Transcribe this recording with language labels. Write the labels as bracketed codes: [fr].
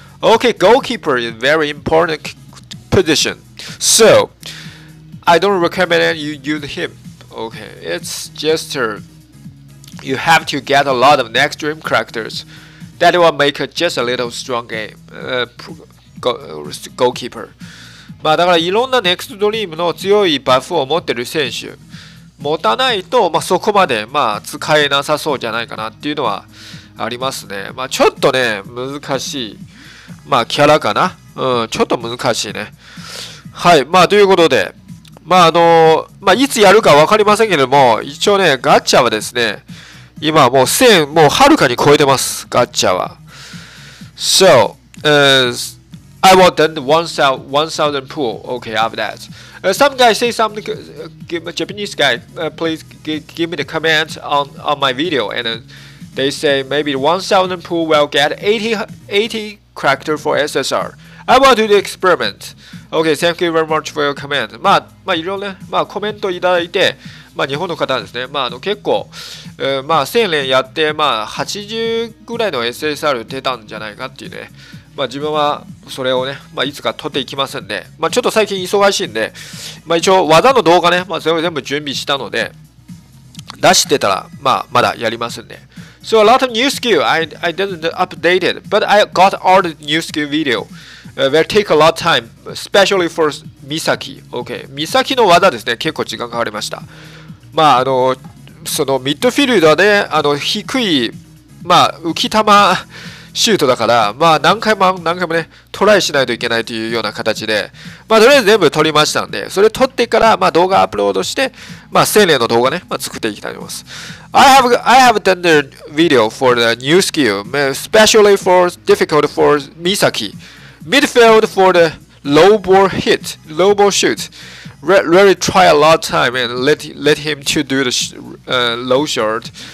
[en] Okay, goalkeeper is very important position. So, I don't recommend you use him. Okay, it's just you have to get a lot of next dream characters that will make just a little strong game. Goalkeeper. [ja] まあだからいろんな next dream の強いバフを持ってる選手持たないと、まあ、そこまで、まあ、使えなさそうじゃないかなっていうのはありますね。まあちょっとね難しい。まあ、キャラかな。うん、ちょっと難しいね。はい。まあ、ということで、まあ、まあ、いつやるか分かりませんけれども、一応ね、ガッチャはですね、今もう1000、もうはるかに超えてます、ガッチャは。 [en] So, I will done 1000 pool. Okay, after that. Some guys say something, Japanese guy, please give me the comment on my video, and they say maybe 1000 pool will get 80 character for SSR. I want to do the experiment. Okay, thank you very much for your comment. [ja] まあ、まあ、いろいろね、まあ、コメントいただいて、まあ、日本の方ですね、まあ、結構、まあ、1000連やって、まあ、80ぐらいの SSR 出たんじゃないかっていうね、まあ、自分はそれをね、まあ、いつか取っていきますんで、まあ、ちょっと最近忙しいんで、まあ、一応、技の動画ね、まあ、それを全部準備したので、出してたら、まあ、まだやりますんで。 [en] So a lot of new skill, I didn't update it, but I got all the new skill video, will take a lot of time, especially for Misaki. [ja] Okay, Misaki の技ですね、結構時間かかりました。まあ、そのミッドフィルダーで、低い、まあ、浮き球シュートだから、まあ、何回もね、トライしないといけないというような形で、まあ、とりあえず全部撮りましたんで、それ撮ってから、まあ、動画アップロードして、まあ、1000連の動画ね、まあ、作っていきたいと思います。 [en] I have done the video for the new skill, especially for difficult for Misaki. Midfield for the low ball shoot. Really try a lot of time and let him to do the low shot.